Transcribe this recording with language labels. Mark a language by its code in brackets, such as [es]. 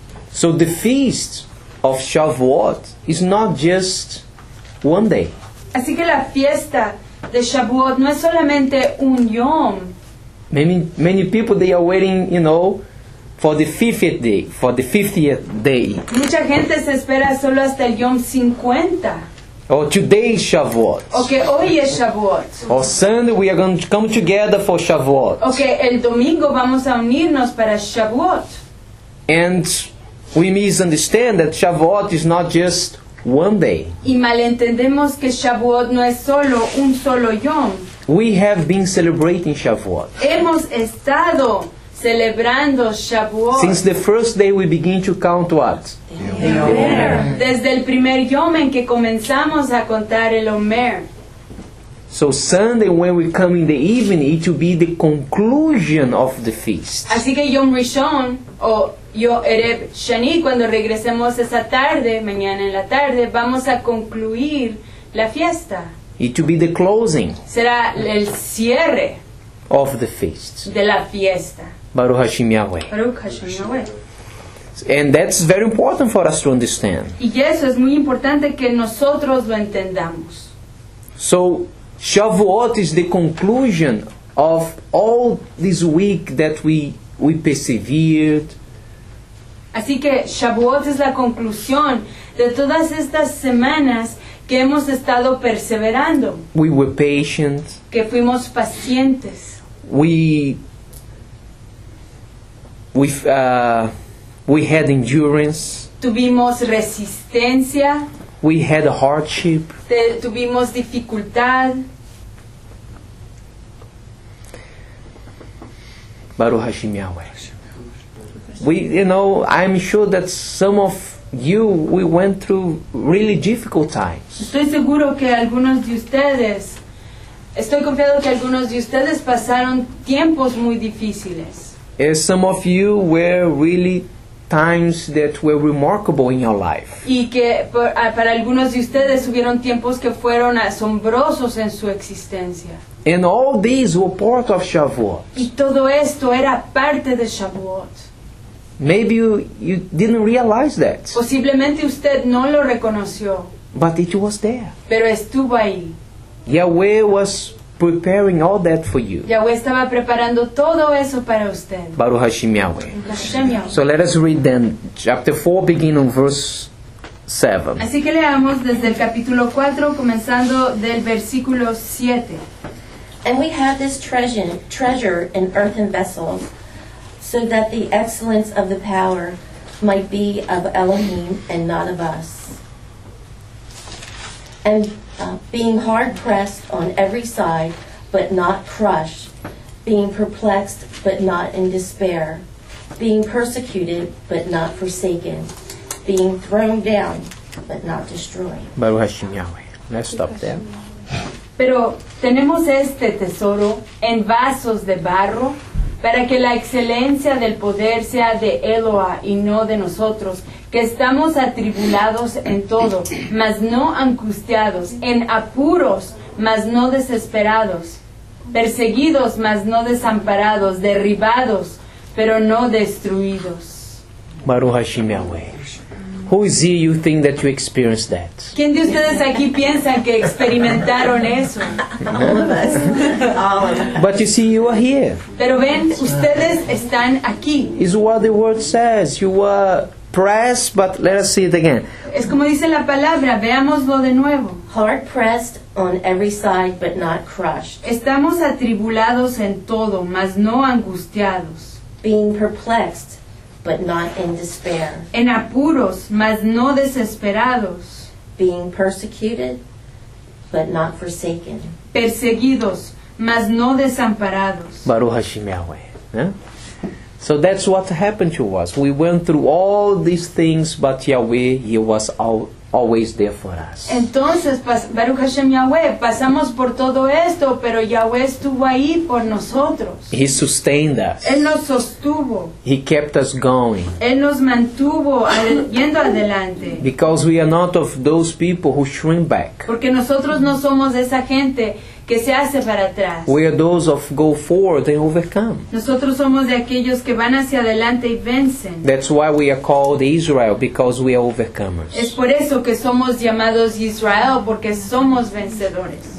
[en] So the feast of Shavuot is not just one day. [es] Así que la fiesta de Shavuot no es solamente un yom. [en] Many people, they are waiting, you know, for the 50th day. [es] Mucha gente se espera solo hasta el Yom 50. [en] Or today is Shavuot. [es] Okay, hoy es Shavuot. [en] Or Sunday we are going to come together for Shavuot. [es] Okay, el domingo vamos a unirnos para Shavuot. [en] And we misunderstand that Shavuot is not just one day. [es] Y malentendemos que Shavuot no es solo un solo Yom. [en] We have been celebrating Shavuot. [es] Hemos estado celebrando Shavuot. [en] Since the first day we begin to count what? The Omer. [es] Desde el primer Yom en que comenzamos a contar el Omer. [en] So Sunday, when we come in the evening, it will be the conclusion of the feast. [es] Así que Yom Rishon, o Yom Erev Shani, cuando regresemos esa tarde, mañana en la tarde, vamos a concluir la fiesta. [en] It will be the closing. [es] Será el cierre [en] of the feast. [es] De la fiesta. [he] Baruch Hashem Yahweh. Baruch Hashem Yahweh. [en] And that's very important for us to understand. [es] Y eso es muy importante que nosotros lo entendamos. [en] So Shavuot is the conclusion of all this week that we persevered. [es] Así que Shavuot es la conclusión de todas estas semanas que hemos estado perseverando. [en] We were patient. [es] Que fuimos pacientes. [en] We had endurance. [es] Tuvimos resistencia. [en] We had a hardship. [es] Tuvimos dificultad. [he] Baruch Hashem Yahweh. [en] We, you know, I'm sure that some of you, we went through really difficult times. [es] Estoy seguro que algunos de ustedes, estoy confiado que algunos de ustedes pasaron tiempos muy difíciles. [en] And some of you were really times that were remarkable in your life. [es] Y que para algunos de ustedes hubieron tiempos que fueron asombrosos en su existencia. [en] And all these were part of Shavuot. [es] Y todo esto era parte de Shavuot. [en] Maybe you didn't realize that. [es] Posiblemente usted no lo reconoció. [en] But it was there. [es] Pero estuvo ahí. [en] Yahweh was preparing all that for you. [es] Yahweh estaba preparando todo eso para usted. [he] Baruch Hashem Yahweh. Hashem Yahweh. [en] So let us read then, chapter 4, beginning on verse 7. [es] Así que leamos desde el capítulo 4, comenzando del versículo 7. [en] And we have this treasure in earthen vessels, so that the excellence of the power might be of Elohim and not of us. And being hard pressed on every side, but not crushed, being perplexed, but not in despair, being persecuted, but not forsaken, being thrown down, but not destroyed. [he] Baruch Hashem Yahweh. [en] Let's stop there. [es] Pero tenemos este tesoro en vasos de barro, para que la excelencia del poder sea de Eloah y no de nosotros, que estamos atribulados en todo, mas no angustiados, en apuros, mas no desesperados, perseguidos, mas no desamparados, derribados, pero no destruidos. [he] Baruch Hashem Yahweh. [en] Who is he you think that you experienced that? [es] ¿Quién de ustedes aquí piensa que experimentaron eso? [en] All of us. But you see, you are here. [es] Pero ven, ustedes están aquí. [en] Is what the word says. You were pressed, but let us see it again. [es] Es como dice la palabra, veámoslo de nuevo. [en] Hard pressed on every side, but not crushed. [es] Estamos atribulados en todo, mas no angustiados. [en] Being perplexed, but not in despair. [es] En apuros, mas no desesperados. [en] Being persecuted, but not forsaken. [es] Perseguidos, mas no desamparados. [he] Baruch Hashem Yahweh. [en] Yeah? So that's what happened to us. We went through all these things, but Yahweh, He was always there for us. [es] Entonces, [he] Baruch Hashem Yahweh, [es] pasamos por todo esto, pero Yahweh estuvo ahí por nosotros. [en] He sustained us. [es] Él nos sostuvo. [en] He kept us going. [es] Él nos mantuvo yendo adelante. [en] Because we are not of those people who shrink back. [es] Porque nosotros no somos de esa gente que se hace para atrás. [en] We are those of go forward and overcome. [es] Nosotros somos de aquellos que van hacia adelante y vencen. [en] That's why we are called Israel, because we are overcomers. [es] Es por eso que somos llamados Israel, porque somos vencedores.